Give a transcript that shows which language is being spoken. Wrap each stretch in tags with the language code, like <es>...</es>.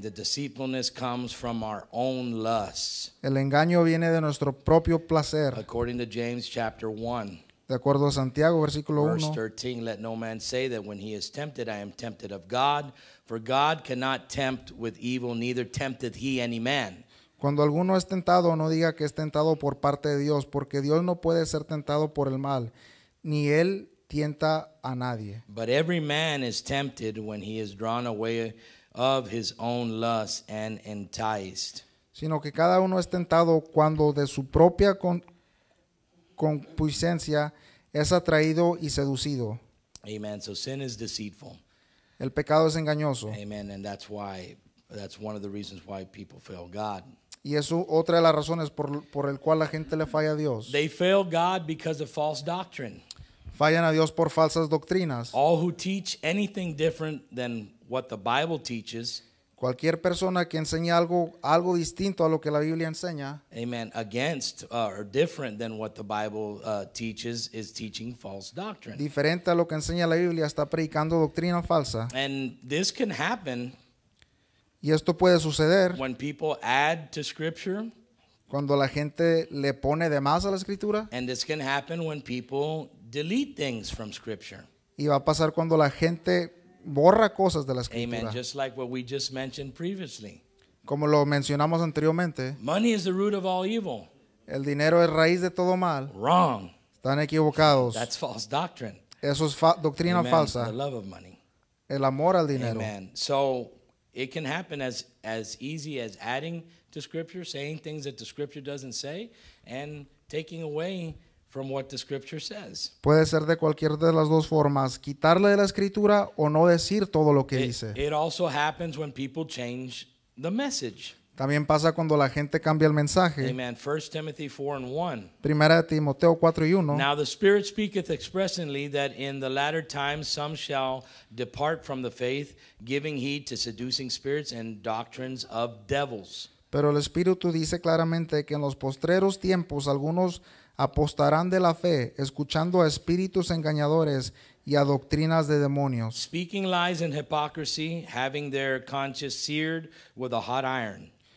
<en>The deceitfulness comes from our own lusts.</en> <es>El engaño viene de nuestro propio placer.</es> <en>According to James chapter 1.</en> <es>De acuerdo a Santiago, versículo 1.</es> <en>Verse 13, let no man say that when he is tempted, I am tempted of God. For God cannot tempt with evil, neither tempteth he any man.</en> <es>Cuando alguno es tentado, no diga que es tentado por parte de Dios, porque Dios no puede ser tentado por el mal, ni él tienta a nadie.</es> <en>But every man is tempted when he is drawn away of his own lust and enticed.</en> <es>Sino que cada uno es tentado cuando de su propia concupiscencia es atraído y seducido.</es> <en>Amen. So sin is deceitful.</en> <es>El pecado es engañoso.</es> <en>Amen. And that's one of the reasons why people fail God.</en> <es>Y eso otra de las razones por el cual la gente le falla a Dios.</es> <en>They fail God because of false doctrine.</en> <es>Fallan a Dios por falsas doctrinas.</es> <en>All who teach anything different than what the Bible teaches.</en> <es>Cualquier persona que enseñe algo distinto a lo que la Biblia enseña.</es> <en>Amen. Against or different than what the Bible teaches is teaching false doctrine.</en> <es>Diferente a lo que enseña la Biblia está predicando doctrina falsa.</es> <en>And this can happen.</en> <es>Y esto puede suceder</es> <en>when people add to scripture,</en> <es>cuando la gente le pone de más a la escritura.</es> <en>And this can happen when people delete things from scripture.</en> <es>Y va a pasar cuando la gente borra cosas de la escritura.</es> <en>Amen. Just like what we just mentioned previously.</en> <es>Como lo mencionamos anteriormente.</es> <en>Money is the root of all evil.</en> <es>El dinero es raíz de todo mal.</es> <en>Wrong.</en> <es>Están equivocados.</es> <en>That's false doctrine.</en> <es>Eso es doctrina</es> <en>Amen.</en> <es>Falsa.</es> <en>The love of money.</en> <es>El amor al dinero.</es> <en>Amen. So it can happen as easy as adding to scripture, saying things that the scripture doesn't say, and taking away from what the scripture says.</en> <es>Puede ser de cualquier de las dos formas, quitarle de la escritura o no decir todo lo que dice.</es> <en>It also happens when people change the message.</en> <es>También pasa cuando la gente cambia el mensaje.</es> <en>Amen. 1 Timothy 4 and 1.</en> <es>Primera de Timoteo 4 y 1.</es> <en>Now the Spirit speaketh expressly that in the latter times some shall depart from the faith, giving heed to seducing spirits and doctrines of devils.</en> <es>Pero el Espíritu dice claramente que en los postreros tiempos algunos apostarán de la fe, escuchando a espíritus engañadores y a doctrinas de demonios.</es> <en>Speaking lies and hypocrisy, having their conscience seared with a hot iron.</en>